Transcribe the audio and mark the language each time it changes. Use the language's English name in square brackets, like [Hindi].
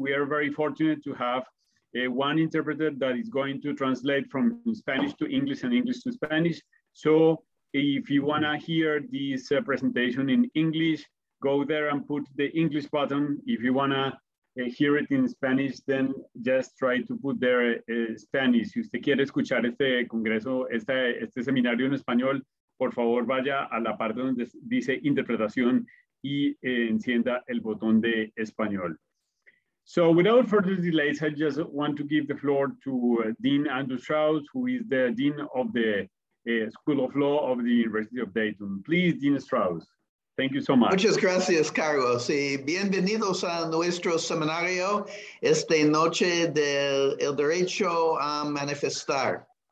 [English] We are very fortunate to have one interpreter that is going to translate from Spanish to English and English to Spanish. So if you wanna hear this presentation in English, go there and put the English button. If you wanna hear it in Spanish, then just try to put there Spanish. [Spanish] Si usted quiere escuchar este congreso, este seminario en español, por favor vaya a la parte donde dice interpretación y encienda el botón de español. [English] So without further delays, I just want to give the floor to Dean Andrew Strauss, who is the Dean of the School of Law of the University of Dayton. Please, Dean Strauss. Thank you so much. [Spanish] Muchas gracias, Carlos. Y bienvenidos a nuestro seminario esta noche del el derecho a manifestar.